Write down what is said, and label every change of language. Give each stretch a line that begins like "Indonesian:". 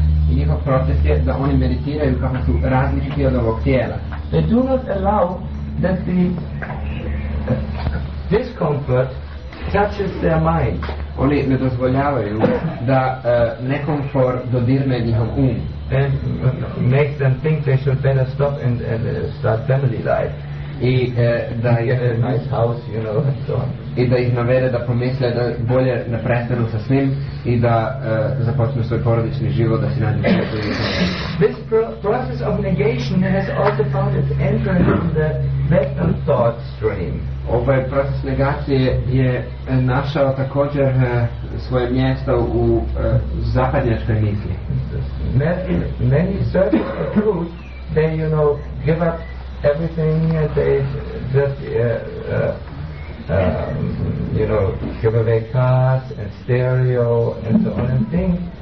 Croatian: I njihov proces je da oni meditiraju kako su različiti od ovog tijela.
English: They do not allow that the discomfort touches their mind.
Croatian: Oni ne dozvoljavaju da nekomfor dodirne njihov um.
English: And makes them think they should better stop and start family life.
Croatian: I da
English: get a nice house, you know, and so on.
Croatian: I da ih navede da pomisle da bolje ne prestanu sa svim i da započnu svoj porodični život, da si nađu svoj porodični.
English: This process of negation has also found its entrance in the mental thought stream.
Croatian: Ovaj proces negacije je našao također svoje mjesto u zapadnjačkoj misli.
English: Many certain groups, they, you know, give up everything and they just, you know, give away cars and stereo and so on and things.